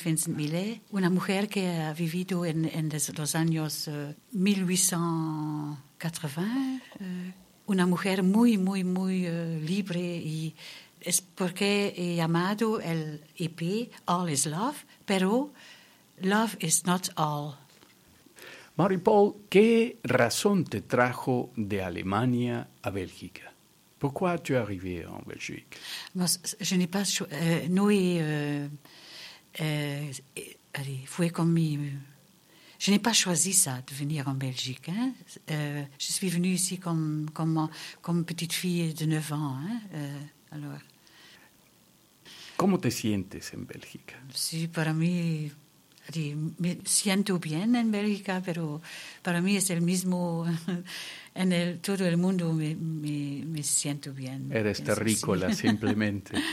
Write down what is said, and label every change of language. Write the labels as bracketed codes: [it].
[es] Vincent Millay, una mujer que ha vivido en los años 1880, una mujer muy libre, y es porque he llamado el EP All Is Love, pero Love Is Not All. Marie-Paule, ¿qué razón te trajo de Alemania a Bélgica? [fr] Pourquoi tu es arrivé en Belgique? Je n'ai pas fui [es] con mi [fr] Je n'ai pas choisi ça, de venir en Belgique. Hein. Je suis venue ici comme petite fille de 9 ans. Hein. Alors. [es] ¿Cómo te sientes en Bélgica? Sí, para mí, me siento bien en Bélgica, pero para mí es el mismo, en el, todo el mundo me siento bien. Eres terrícola, sí. Simplemente.